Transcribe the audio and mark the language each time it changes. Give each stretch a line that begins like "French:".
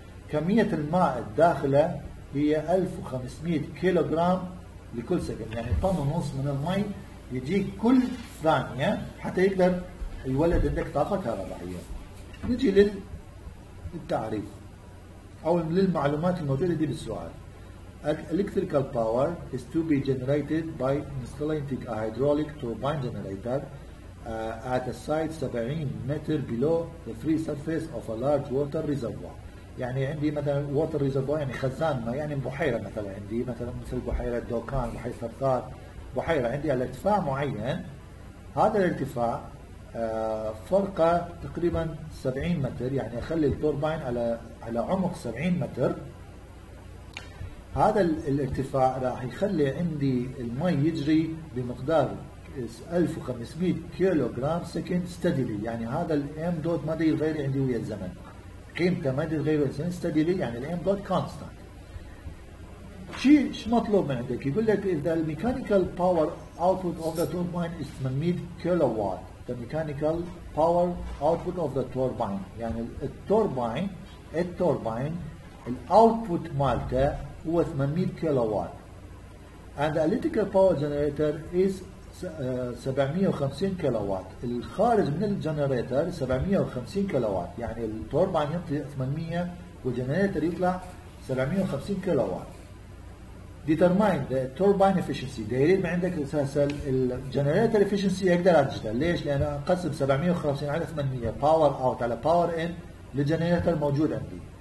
Arabic: كميه الماء الداخله هي 1500 كيلوغرام لكل ثانيه، يعني طن ونص من المي يجي كل ثانيه حتى يقدر يولد عندك طاقه كهربائيه. نجي للتعريف او للمعلومات الموجوده دي بالسؤال.
English: Electrical power is to be generated by installing a hydraulic turbine generator at a site 70 متر below the free surface of a large water reservoir.
Arabic: يعني عندي مثلا
English: water reservoir
Arabic: يعني خزان ما يعني بحيره مثلا، عندي مثلا مثل بحيره دوكان، بحيره ثرثار، بحيره عندي على ارتفاع معين. هذا الارتفاع فرقه تقريبا 70 متر، يعني اخلي التوربين على عمق 70 متر. هذا الارتفاع راح يخلي عندي المي يجري بمقدار 1500 كيلو جرام سكند ستديلي، يعني هذا الام دوت ما يتغير عندي ويا الزمن، قيمته ما يتغير ستديلي، يعني الام دوت كونستانت. شو مطلوب من عندك؟ يقول لك اذا الميكانيكال باور اوتبوت اوف ذا توربين 800 كيلو وات، ذا ميكانيكال باور اوتبوت اوف ذا توربين، يعني التوربين الاوتبوت مالته هو 800 كيلو وات.
English: And the electrical power generator is 750 كيلو وات.
Arabic: الخارج من الجنريتر 750 كيلو وات، يعني التوربين يطلع 800 والجنريتر يطلع 750 كيلو وات.
English: Determine the turbine efficiency.
Arabic: ده يريد ما عندك أساسا الجنريتر efficiency يقدر أجده. ليش؟ لأن قسم 750 على 800
English: power out
Arabic: على
English: power in
Arabic: للجنريتر موجود عندي.